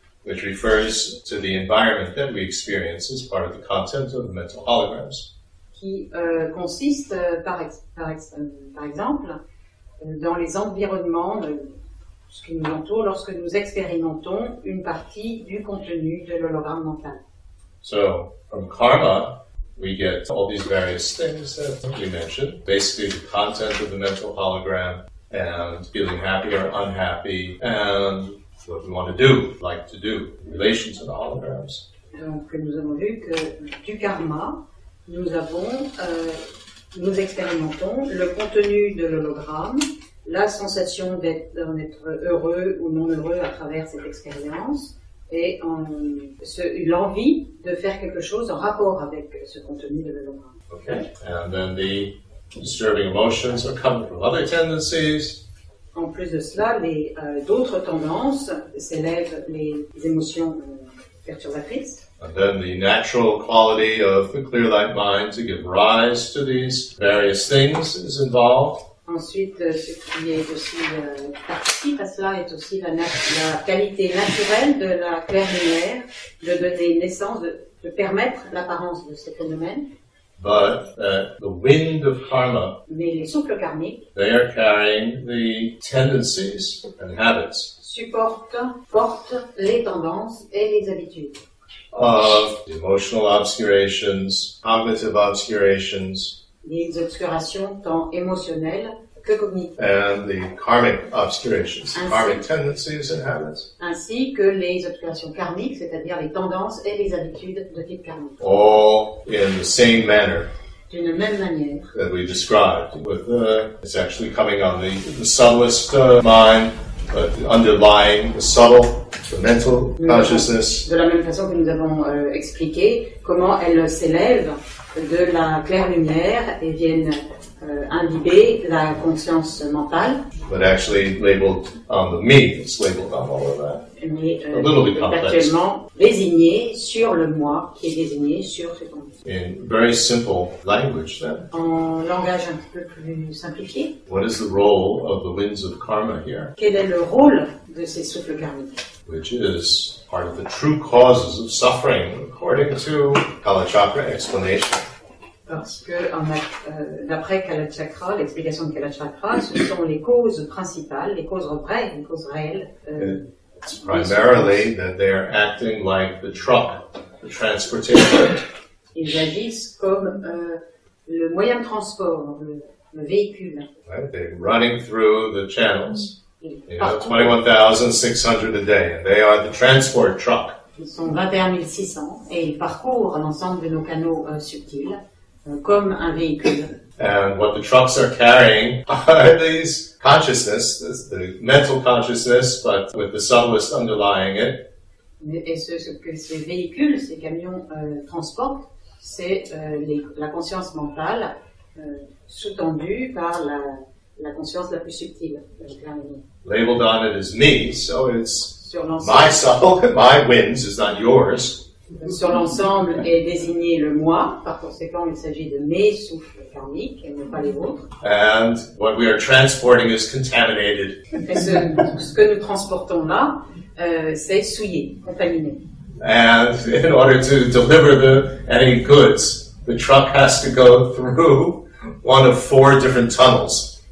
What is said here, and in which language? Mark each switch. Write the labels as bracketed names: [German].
[English] Which refers to the environment that we experience as part of the content of the mental holograms. [French] Qui consiste, par exemple, dans les environnements, ce qui nous entoure lorsque nous expérimentons une partie du contenu de l'hologramme mental. [English] So, from karma, we get all these various things that we mentioned. Basically, the content of the mental hologram, and feeling happy or unhappy, and what we want to do, like to do, in relation to the holograms. [French] Donc, nous avons vu que du karma, nous avons, nous expérimentons le contenu de l'hologramme, la sensation d'être heureux ou non heureux à travers cette expérience, et l'envie de faire quelque chose en rapport avec ce contenu de l'hologramme. [English] Okay, and then the disturbing emotions are coming from other tendencies. [French] En plus de cela, les d'autres tendances s'élèvent les émotions perturbatrices. [English] And then the natural quality of the clear light mind to give rise to these various things is involved. [French] Ensuite, ce qui est aussi participe à cela est aussi la qualité naturelle de la clair-lumière, de donner naissance, de permettre l'apparence de ce phénomène. [English] But the wind of karma, [French] mais les souffles karmiques, [English] they are carrying the tendencies and habits, [French] portent les tendances et les habitudes. [English] Of emotional obscurations, cognitive obscurations, [French] les obscurations tant émotionnelles que cognitives, [English] and the karmic obscurations, ainsi, karmic tendencies and habits, [French] ainsi que les obscurations karmiques, c'est-à-dire les tendances et les habitudes de type karmique. [English] All in the same manner, [French] d'une même manière, [English] that we described, with the, it's actually coming on the subtlest mind, but underlying the subtle, the mental consciousness. [French] De la même façon que nous avons expliqué comment elle s'élève de la claire lumière et viennent imbiber la conscience mentale. [English] But actually labeled on the me, it's labeled on all of that. [French] Mais actuellement désigné sur le moi qui est désigné sur ce qu'on dit. [English] In very simple language then. [French] En langage un petit peu plus simplifié. [English] What is the role of the winds of karma here? [French] Quel est le rôle de ces souffles karmiques? [English] Which is part of the true causes of suffering, according to Kalachakra explanation. [French] Parce que d'après Kalachakra, l'explication de Kalachakra, ce sont les causes principales, les causes vraies, les causes réelles. [English] It's primarily that they are acting like the truck, the transportation. [French] Ils agissent comme le moyen de transport, le véhicule. [English] Right, they're running through the channels. You know, 21,600 a day. They are the transport truck. [French] Ils sont 21,600 et ils parcourent l'ensemble de nos canaux subtils comme un véhicule. [English] And what the trucks are carrying are these consciousness, the mental consciousness, but with the subtlest underlying it. [French] Et ce que ces véhicules, ces camions transportent, c'est la conscience mentale sous-tendue par la conscience la plus subtile. [English] Labeled on it as me, so it's my soul, my winds, is not yours. [French] Sur l'ensemble est désigné le moi, par conséquent il s'agit de mes souffles karmiques et non pas les vôtres. [English] And what we are transporting is contaminated. [French] Et ce que nous transportons là, c'est souillé, contaminé. [English] And in order to deliver any goods, the truck has to go through one of four different tunnels.